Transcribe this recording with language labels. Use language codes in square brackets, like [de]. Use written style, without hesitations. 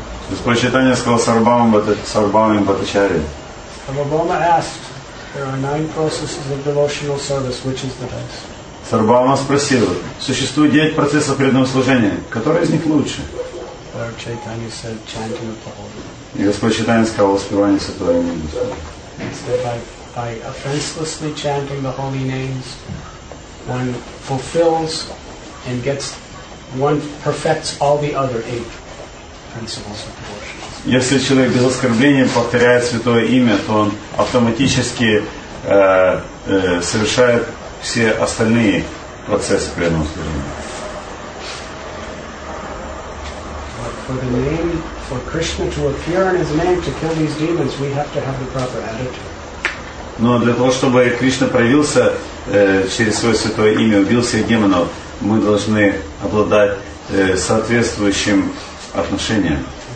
[ru] Господь Чайтанья сказал Сарвабхаумам Бхатачарьям. [en] Сарвабхаума asked, there are nine processes of devotional service, which is the best? [ru] Сарвабхаума спросил, существует 9 процессов преданного служения, который из них лучше? [en] Lord Chaitanya said, chanting of the Holy Name. [ru] И Господь Чайтанья сказал, воспевание святого имени. [en] He said, by offenselessly chanting the holy names, one fulfills and gets one perfects all the other 8 principles of devotion. [ru] Если человек без оскорбления повторяет святое имя, то он автоматически совершает все остальные процессы преданного служения. [en] For the name, for Krishna to appear in his name to kill these demons, we have to have the proper attitude. [ru] Но для того, чтобы Кришна проявился через свое святое имя, убил всех демонов, мы должны обладать соответствующим отношением.